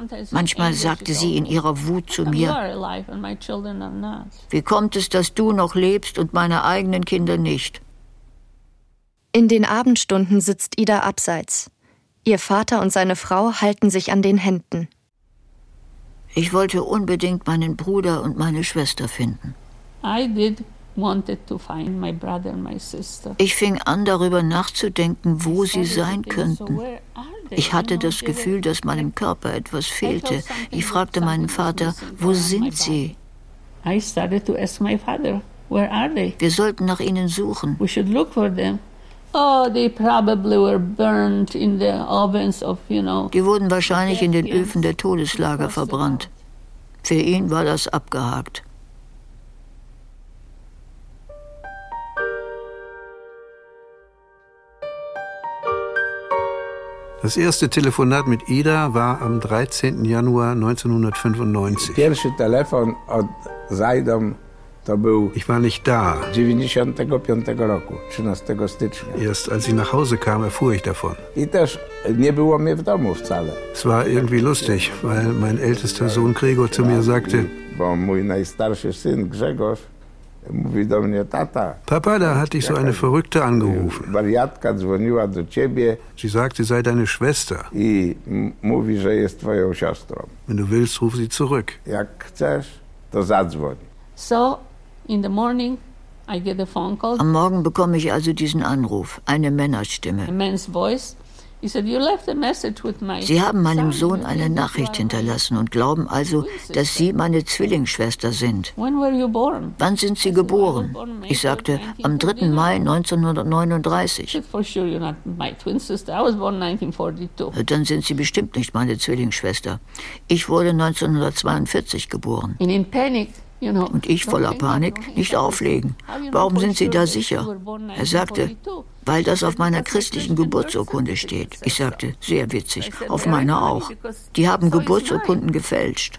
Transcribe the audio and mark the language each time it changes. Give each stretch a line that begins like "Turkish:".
German: Manchmal sagte sie in ihrer Wut zu mir, wie kommt es, dass du noch lebst und meine eigenen Kinder nicht? In den Abendstunden sitzt Ida abseits. Ihr Vater und seine Frau halten sich an den Händen. Ich wollte unbedingt meinen Bruder und meine Schwester finden.
English: I did wanted to find my brother and my sister.
German: Ich fing an, darüber nachzudenken, wo sie sein könnten. Ich hatte das Gefühl, dass meinem Körper etwas fehlte. Ich fragte meinen Vater, wo sind sie?
English: I started to ask my father, where are they?
German: Wir sollten nach ihnen suchen.
English: We should look for them. Oh, they probably were burned in the ovens of, you know.
German: Die wurden wahrscheinlich in den Öfen der Todeslager verbrannt. Für ihn war das abgehakt. Das erste Telefonat mit Ida war am 13. Januar 1995.
Polish: Pierwszy telefon od Zajdą.
German: Ich war nicht da.
Polish: 95. roku, 13. stycznia.
German: Erst als ich nach Hause kam, erfuhr ich davon.
Polish: I też nie było mnie w domu wcale.
German: Es war irgendwie lustig, weil mein ältester Sohn Gregor zu mir sagte,
Polish: bo mój najstarszy syn Grzegorz mówi do mnie, tata.
German: Papa, da hatte ich so eine Verrückte angerufen.
Polish: Wariatka dzwoniła do ciebie.
German: Sie sagte, sei deine Schwester.
Polish: I mówi, że jest twoją siostrą.
German: Wenn du willst, ruf sie zurück.
Polish: Jak chcesz, to zadzwoń.
English: So, in the morning, I get a phone call.
German: Am Morgen bekomme ich also diesen Anruf, eine Männerstimme.
English: A man's voice. He said, you left a message with my.
German: Sie haben meinem Sohn eine Nachricht hinterlassen und glauben also, dass Sie meine Zwillingsschwester sind.
English: When were you born?
German: Wann sind Sie geboren? Ich sagte, am 3. Mai 1939.
English: For sure you're not my twin sister. I was born 1942.
German: Dann sind Sie bestimmt nicht meine Zwillingsschwester. Ich wurde 1942 geboren. And in panic. Und ich voller Panik, nicht auflegen. Warum sind Sie da sicher? Er sagte, weil das auf meiner christlichen Geburtsurkunde steht. Ich sagte, sehr witzig, auf meiner auch. Die haben Geburtsurkunden gefälscht.